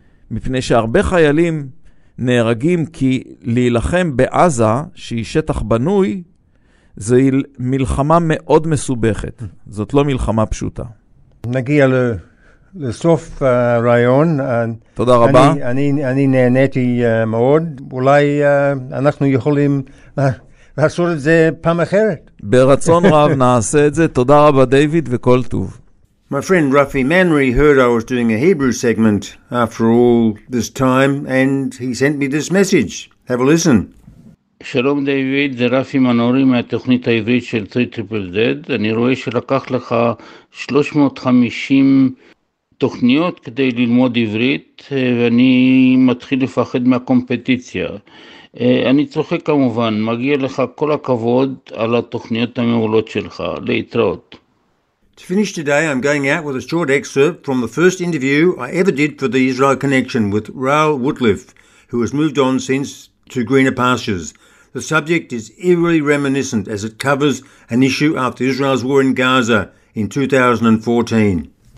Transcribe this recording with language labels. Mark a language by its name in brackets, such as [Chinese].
[Hebrew] מפני שהרבה חיילים נהרגים כי להילחם בעזה, שהיא שטח בנוי, זה מלחמה מאוד מסובכת. זאת לא מלחמה פשוטה. נגיע לסוף הרעיון. תודה רבה. אני נהניתי מאוד. אולי אנחנו יכולים לעשות את זה פעם אחרת. ברצון רב נעשה את זה. תודה רבה, דיוויד, וכל טוב. [English] My friend Rafi Manri heard I was doing a Hebrew segment after all this time, and he sent me this message. Have a listen. [Hebrew] שלום דיוויד, זה רפי מנורי מהתוכנית העברית של 3ZZZ. אני רואה שלקח לך 350 תוכניות כדי ללמוד עברית, ואני מתחיל לפחד מהקומפטיציה. אני צוחק כמובן, מגיע לך כל הכבוד על התוכניות המעולות שלך. להתראות. [English] To finish today, I'm going out with a short excerpt from the first interview I ever did for the Israel Connection with Raoul Woodliff, who has moved on since to greener pastures. The subject is eerily reminiscent as it covers an issue after Israel's war in Gaza in 2014.